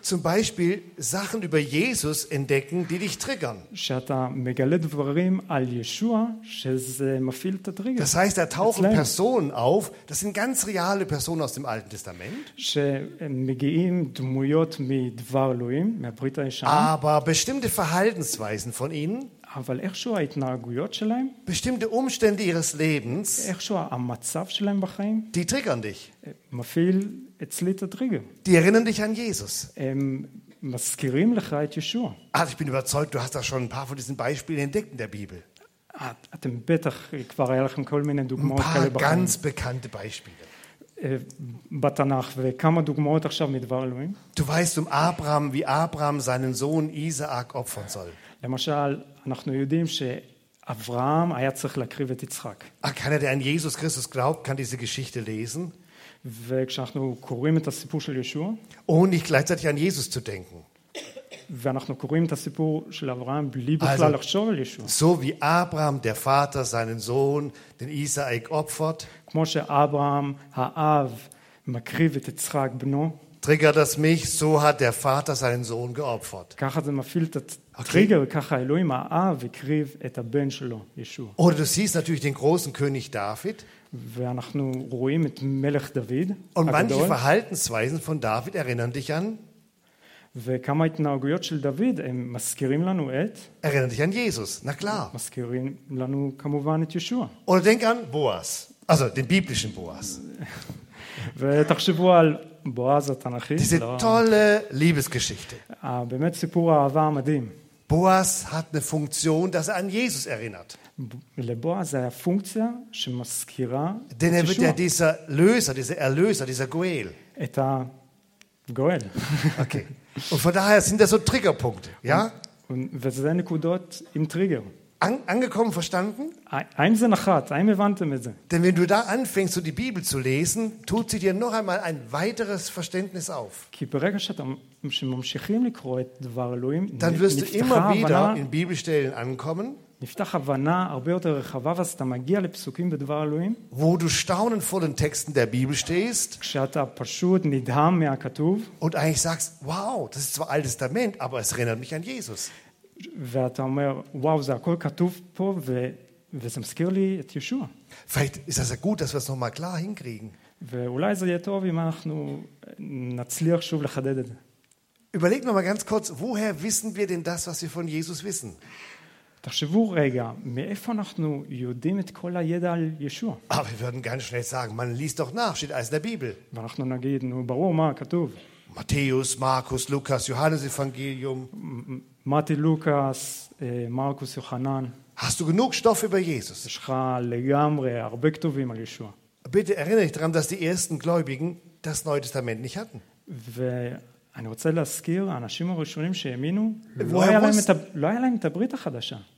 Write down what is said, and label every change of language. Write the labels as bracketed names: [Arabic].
[German] Zum Beispiel Sachen über Jesus entdecken, die dich triggern. [Hebrew] שאתה מגלה דברים על ישוע שזה מפעיל את הטריגר. [German] Das heißt, da tauchen Personen auf, das sind ganz reale Personen aus dem Alten Testament. [Hebrew] שמגיעים דמויות מדבר אלוהים, מהברית הישנה. [German] Aber bestimmte Verhaltensweisen von ihnen, [Hebrew] אבל איכשהו ההתנהגויות שלהם, [German] bestimmte Umstände ihres Lebens, [Hebrew] איכשהו המצב שלהם בחיים, [German] die triggern dich. [Hebrew] מפעיל אצלי את הטריגר. [German] Die erinnern dich an Jesus. [Hebrew] מזכירים לך את ישוע. [German] Also ich bin überzeugt, du hast da schon ein paar von diesen Beispielen entdeckt in der Bibel. [Hebrew] אתם בטח כבר היה לכם כל מיני דוגמאות כאלה בחיים. [German] Ein paar ganz bekannte Beispiele. [Hebrew] בתנך, וכמה דוגמאות עכשיו מדבר אלוהים? [German] Du weißt um Abraham, wie Abraham seinen Sohn Isaac opfern soll. [Hebrew] למשל, אנחנו יודעים שאברהם היה צריך להקריב את יצחק. [German] Keiner, der an Jesus Christus glaubt, kann diese Geschichte lesen. [Hebrew] וכשאנחנו קוראים את הסיפור של ישוע, [German] ohne nicht gleichzeitig an Jesus zu denken. [Hebrew] ואנחנו קוראים את הסיפור של אברהם בלי בכלל לחשוב על ישוע. [German] So wie Abraham, der Vater, seinen Sohn, den Isaac opfert, [Hebrew] כמו שאברהם, האב, מקריב את יצחק בנו, [German] triggert das mich, so hat der Vater seinen Sohn geopfert. [Hebrew] ככה זה מפעיל את הטריגר, ככה אלוהים, האב, הקריב את הבן שלו, ישוע. [German] Oder du siehst natürlich den großen König David, [Hebrew] ואנחנו רואים את מלך דוד. [German] Und manche Verhaltensweisen von David erinnern dich an? [Hebrew] וכמה התנהגויות של דוד הם מזכירים לנו את? [German] Erinnern dich an Jesus, na klar. [Hebrew] מזכירים לנו כמובן את ישוע. [German] Oder denk an Boas, also den biblischen Boas. [Hebrew] ותחשבו על Boas התנכי. [German] Diese tolle Liebesgeschichte. [Hebrew] באמת סיפור אהבה מדהים. [German] Boas hat eine Funktion, dass er an Jesus erinnert. [Hebrew] לבועז היה פונקציה שמזכירה [German] denn er wird ja dieser Löser, dieser Erlöser, dieser Goel. [Hebrew] את הגואל. [German] Okay. Und von daher sind das so Triggerpunkte, ja? [Hebrew] Und וזה נקודות עם טריגר. [German] Angekommen, verstanden? Eins in der Hart, einmal wandte mit dir. Denn wenn du da anfängst, so die Bibel zu lesen, tut sie dir noch einmal ein weiteres Verständnis auf. Dann wirst du immer wieder in Bibelstellen ankommen, [Hebrew] נפתח הבנה הרבה יותר רחבה, ואז אתה מגיע לפסוקים בדבר אלוהים. [German] Wo du staunen vor den Texten der Bibel stehst. [Hebrew] כשאתה פשוט נדהם מהכתוב. [German] Und eigentlich sagst, wow, das ist zwar Altes Testament, aber es erinnert mich an Jesus. [Hebrew] ואתה אומר, wow, זה הכל כתוב פה, וזה מזכיר לי את ישוע. [German] Vielleicht ist das ja gut, dass wir es nochmal klar hinkriegen. [Hebrew] ואולי זה יהיה טוב אם אנחנו נצליח שוב לחדד את זה. [German] Überleg noch mal ganz kurz, woher wissen wir denn das, was wir von Jesus wissen? [Hebrew] תחשבו רגע, מאיפה אנחנו יודעים את כל הידע על ישוע? [German] Aber wir würden ganz schnell sagen, man liest doch nach, steht alles in der Bibel. [Hebrew] ואנחנו נגיד, נו, ברור, מה כתוב? [German] Matthäus, Markus, Lukas, Johannes Evangelium. Matthäus, Lukas, Markus, Johannan. Hast du genug Stoff über Jesus? [Hebrew] יש לך לגמרי הרבה כתובים על ישוע. [German] Bitte erinnere dich daran, dass die ersten Gläubigen das Neue Testament nicht hatten. [Hebrew] אני רוצה להזכיר, האנשים הראשונים שהאמינו, לא היה להם את הברית החדשה.